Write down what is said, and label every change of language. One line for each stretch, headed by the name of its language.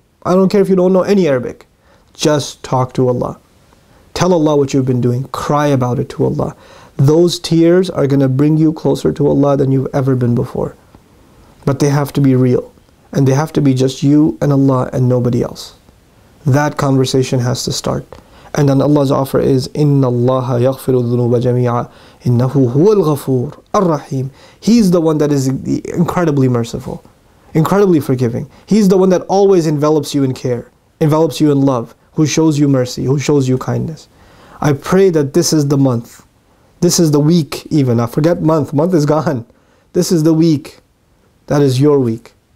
English: I don't care if you don't know any Arabic. Just talk to Allah. Tell Allah what you've been doing. Cry about it to Allah. Those tears are going to bring you closer to Allah than you've ever been before. But they have to be real. And they have to be just you and Allah and nobody else. That conversation has to start. And then Allah's offer is,
Arabic: إِنَّ اللَّهَ يَغْفِرُ الذُّنُوبَ جَمِيعًا إِنَّهُ هُوَ الْغَفُورُ الرَّحِيمُ.
English: He's the one that is incredibly merciful. Incredibly forgiving. He's the one that always envelops you in care, envelops you in love, who shows you mercy, who shows you kindness. I pray that this is the month. This is the week even. I forget month. Month is gone. This is the week. That is your week.